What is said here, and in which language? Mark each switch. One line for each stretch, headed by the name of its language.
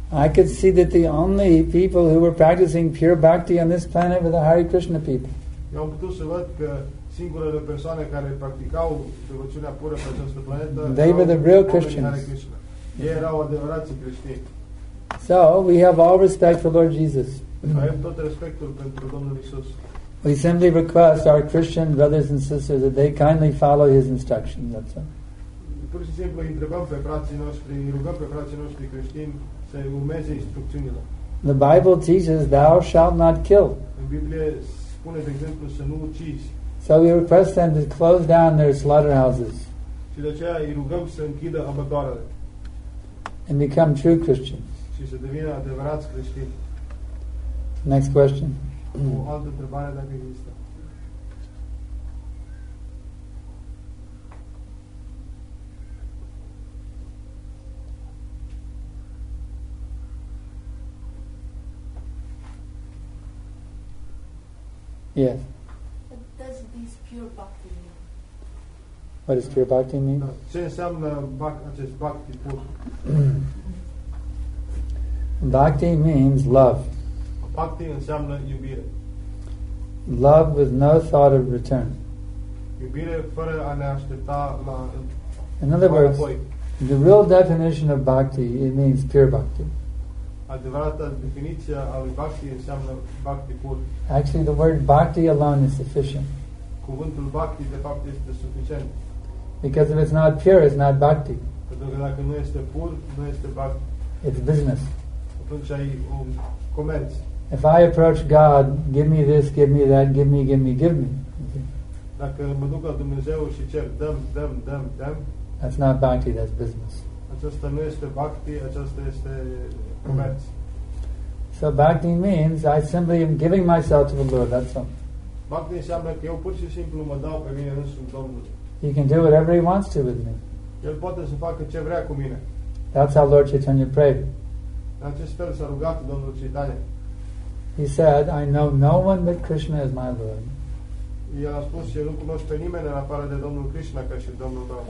English: I could see that the only people who were practicing pure Bhakti on this planet were the Hare Krishna people.
Romanian: Eu am putut să văd că singurele persoane care practicau devoțiunea pură pe această planetă,
English: they were the real Christians.
Romanian: Ei erau adevărați creștini.
English: So, we have all respect for Lord Jesus.
Romanian: Avem tot respectul pentru Domnul Iisus.
English: We simply request our Christian brothers and sisters that they kindly follow his instructions, that's all.
Romanian: Pur și simplu întrebăm pe frații noștri, rugăm pe frații noștri creștini să urmeze instrucțiunile.
English: The Bible teaches, thou shalt not kill.
Romanian: În Biblie spune, de exemplu, să nu ucizi.
English: So we request them to close down their slaughterhouses.
Romanian: Și de aceea îi rugăm să închidă abătoarele.
English: And become true Christians.
Romanian: Și să devină adevărați creștini.
English: Next question.
Romanian: O altă întrebare dacă există.
English: Yes. Does this pure bhakti mean? What does pure bhakti mean?
Romanian: Ce înseamnă acest bhakti pur?
English: Bhakti means love.
Romanian: Bhakti înseamnă iubire.
English: Love with no thought of return.
Romanian: Iubire fără a ne aștepta la înapoi.
English: In other words, the real definition of bhakti, it means pure bhakti.
Romanian: Adevărata definiție a lui bhakti înseamnă bhakti pur.
English: Actually, the word bhakti alone is sufficient.
Romanian: Cuvântul bhakti, de fapt, este suficient.
English: Because if it's not pure, it's not bhakti.
Romanian: Pentru că dacă nu este pur, nu este bhakti.
English: It's business.
Romanian: Atunci ai un comerț.
English: If I approach God, give me this, give me that, give me, give me, give me.
Romanian: Dacă mă duc la Dumnezeu și cer, dăm, dăm, dăm, dăm.
English: That's not bhakti, that's business.
Romanian: Aceasta nu este bhakti, aceasta este comerț.
English: So bhakti means I simply am giving myself to the Lord, that's all.
Romanian: Bhakti înseamnă că eu pur și simplu mă dau pe mine însumi Domnului.
English: He can do whatever he wants to with me.
Romanian: El poate să facă ce vrea cu mine.
English: That's how Lord Chaitanya prayed.
Romanian: În acest fel s-a rugat Domnul Chaitanya.
English: He said, I know no one but Krishna as my Lord.
Romanian: El a spus, eu nu cunosc pe nimeni în afară de Domnul Krishna ca și Domnul meu.